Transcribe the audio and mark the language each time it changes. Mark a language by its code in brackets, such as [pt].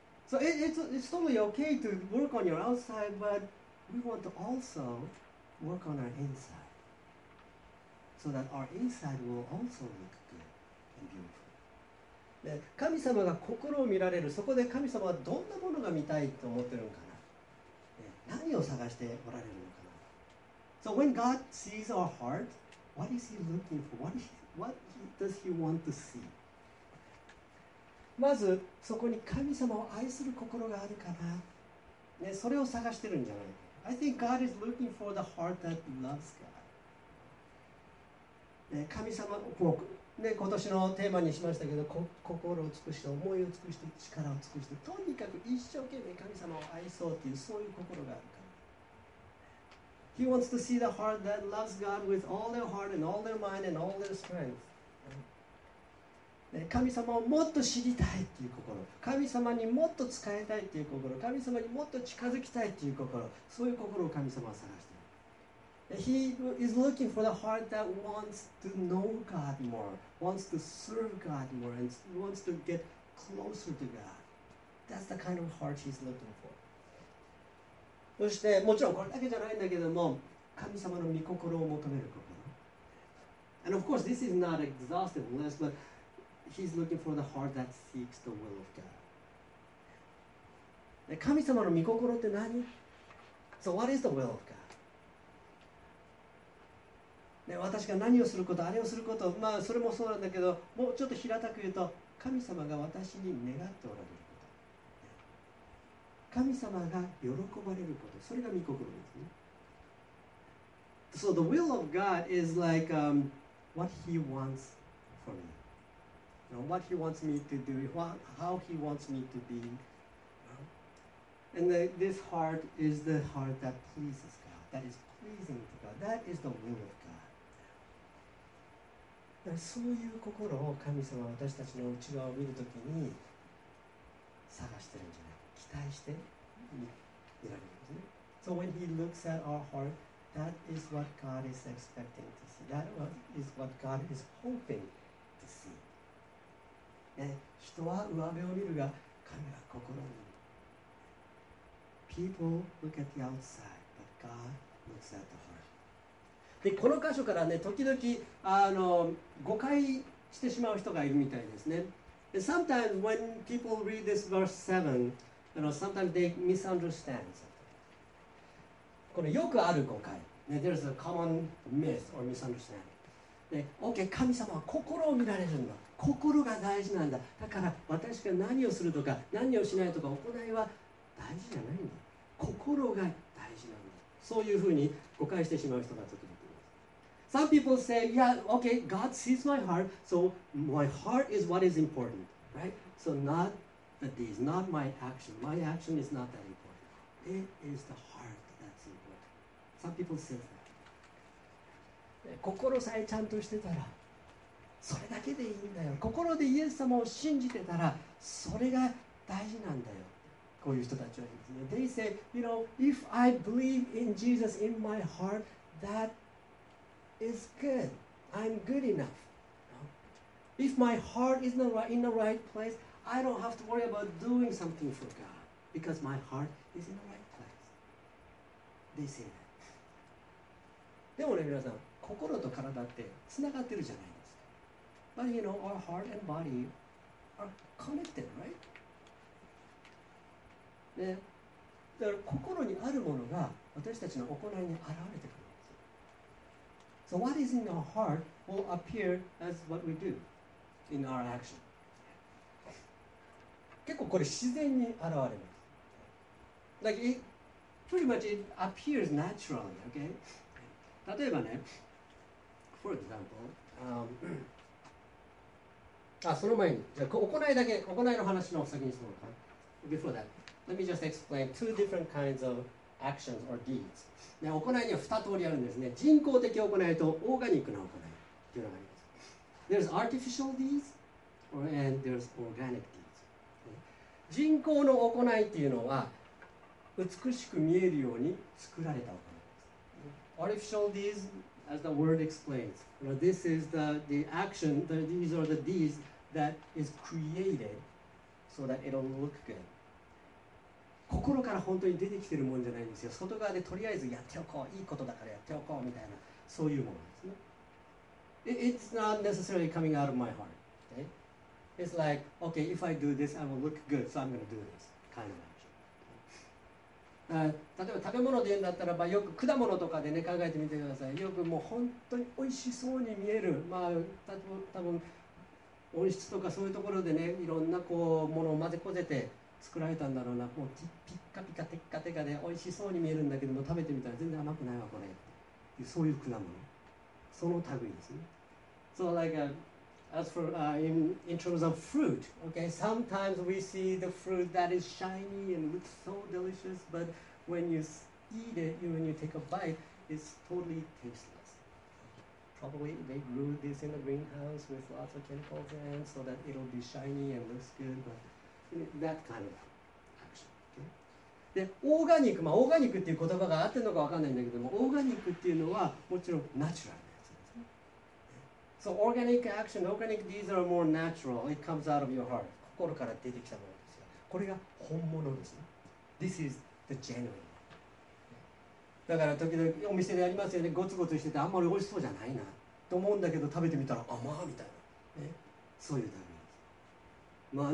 [en] So it's totally okay to work on your outside, but we want to also work on our inside, so that our inside will also look good and beautiful. [ja] で、神様が心を見られる、そこで神様はどんなものが見たいと思ってるのかな。何を探しておられるのかな。 [en] So when God sees our heart, what is he looking for? What does he want to see? [ja] まずそこに神様を愛する心があるかな、ね、それを探してるんじゃない。 [en] I think God is looking for the heart that loves God. [ja] 神様を、ね、今年のテーマにしましたけど、心を尽くして、思いを尽くして、力を尽くして、とにかく一生懸命神様を愛そうっていう、そういう心があるから。 [en] He wants to see the heart that loves God with all their heart and all their mind and all their strength. [ja] 神様をもっと知りたいっていう心、神様にもっと使いたいっていう心、神様にもっと近づきたいっていう心、そういう心を神様は探してる。 [en] He is looking for the heart that wants to know God more, wants to serve God more, and wants to get closer to God. That's the kind of heart he's looking for. [ja] そしてもちろんこれだけじゃないんだけども、神様の御心を求める心。 [en] And of course this is not an exhaustive list, butHe's looking for the heart that seeks the will of God. [ja] 神様の御心って何？ [en] So what is the will of God? [ja] 私が何をすること、あれをすること、まあそれもそうなんだけど、もうちょっと平たく言うと、神様が私に願っておられること。神様が喜ばれること、それが御心ですね。 [en] So the will of God is like what he wants for me. What he wants me to do, how he wants me to be. And this heart is the heart that pleases God, that is pleasing to God, that is the will of God. [ja] そういう心を神様は私たちの内側を見るときに探してるんじゃない、期待して見られるんですね。 [en] So when he looks at our heart, that is what God is expecting to see, that is what God is hoping to see. [ja] ね、人は上辺を見るが神は心を見る。 [en] People look at the outside, but God looks at the heart. [ja] でこの箇所からね、時々誤解してしまう人がいるみたいですね。 [en] Sometimes when people read this verse 7, sometimes they misunderstand. [ja] これよくある誤解、ね、 [en] There's a common myth or misunderstanding. [ja] で、OK、神様は心を見られるんだ、心が大事なんだ、だから私が何をするとか何をしないとか行いは大事じゃないんだ、心が大事なんだ、そういうふうに誤解してしまう人が続いています。 [en] Some people say, yeah, OK, God sees my heart, so my heart is what is important, right? So not the deeds, not my action is not that important, it is the heart that's important. Some people say that. 心さえちゃんとしてたらそれだけでいいんだよ、心でイエス様を信じてたらそれが大事なんだよ、こういう人たちは言うんですね。 They say, you know, if I believe in Jesus in my heart, that is good, I'm good enough. If my heart is in the right place, I don't have to worry about doing something for God, because my heart is in the right place. They say that. [ja] でもね、皆さん、心と体ってつながってるじゃないですか。 [en] But you know, our heart and body are connected, right? [ja] ね、だから心にあるものが私たちの行いに現れてくるんですよ。 [en] So what is in our heart will appear as what we do in our action. [ja] 結構これ自然に現れます。 [en] Like it pretty much it appears naturally, okay? [ja] 例えばね、 [en] For example, [ja] その前に、じゃあ行いだけ、行いの話の先にするのか。 [en] Before that, let me just explain two different kinds of actions or deeds. [ja] ね、行いには2通りあるんですね。人工的行いとオーガニックな行いっていうのがあります。 [en] There's artificial deeds and there's organic deeds.、ね、 [ja] 人工の行いっていうのは美しく見えるように作られた行いです。 [en] Artificial deeds. As the word explains, you know, this is the action, these are the deeds that is created so that it'll look good. [ja] 心から本当に出てきてるもんじゃないんですよ。外側でとりあえずやっておこう、いいことだからやっておこうみたいな、そういうものですね。 [en] It's not necessarily coming out of my heart. Okay? It's like, okay, if I do this, I will look good, so I'm going to do this kind of action. [ja] 例えば食べ物で言うんだったらば、よく果物とかでね、考えてみてください。よくもう本当に美味しそうに見える。まあ、多分温室とかそういうところでね、いろんなこうものを混ぜこぜて作られたんだろうな。もうピッカピカテッカテカで美味しそうに見えるんだけども、食べてみたら全然甘くないわ、これ。そういう果物。その類ですね。 [en] So like a, as for, in terms of fruit, okay, sometimes we see the fruit that is shiny and looks so delicious, but when you eat it, when you take a bite, it's totally tasteless. Probably they grew this in a greenhouse with lots of chemicals in so that it'll be shiny and looks good, but that kind of action. [ja] オーガニック、まあオーガニックっていう言葉があってるのかわかんないんだけども、オーガニックっていうのはもちろんナチュラル。 [en] So organic action, organic, these are more natural. It comes out of your heart. [ja] 心から出てきたものですよ。これが本物ですね。 [en] This is the genuine. [ja] だから時々お店でありますよね。ゴツゴツしててあんまり美味しそうじゃないなと思うんだけど、食べてみたら甘みたいな。そういうためです。